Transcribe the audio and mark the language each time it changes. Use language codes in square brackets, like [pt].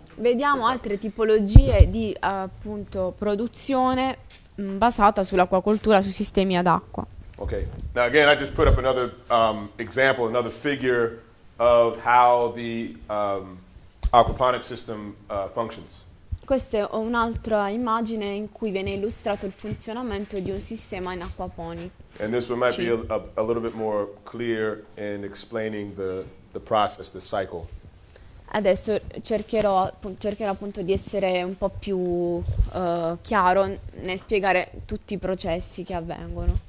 [it] Vediamo altre tipologie di appunto produzione basata sull'acquacoltura, su sistemi ad acqua. [en] Okay. Now again, I just put up another example, another figure of how the aquaponic system functions. [it] Questa è un'altra immagine in cui viene illustrato il funzionamento di un sistema in acquaponi. [en] And this one might be a little bit more clear in explaining the process, the cycle. [it] Adesso cercherò appunto di essere un po' più chiaro nel spiegare tutti i processi che avvengono.